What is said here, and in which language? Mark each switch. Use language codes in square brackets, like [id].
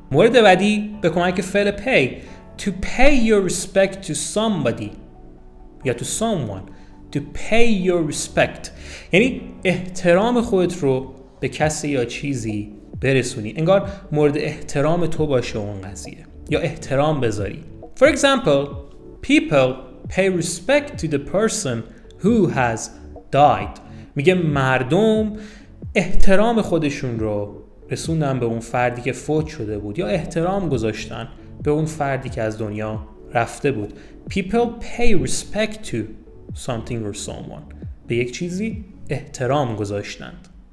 [fa] مورد بعدی به کمک فعل pay [en] to pay your respect to somebody [fa] یا [en] to someone. To pay your respect [fa] یعنی احترام خودت رو به کسی یا چیزی برسونی، انگار مورد احترام تو باشه اون قضیه یا احترام بذاری. [en] For example, people pay respect to the person who has died. [fa] میگه مردم احترام خودشون رو رسوندن به اون فردی که فوت شده بود یا احترام گذاشتن به اون فردی که از دنیا رفته بود. [en] People pay respect to something or someone. [fa] به یک چیزی احترام گذاشتند.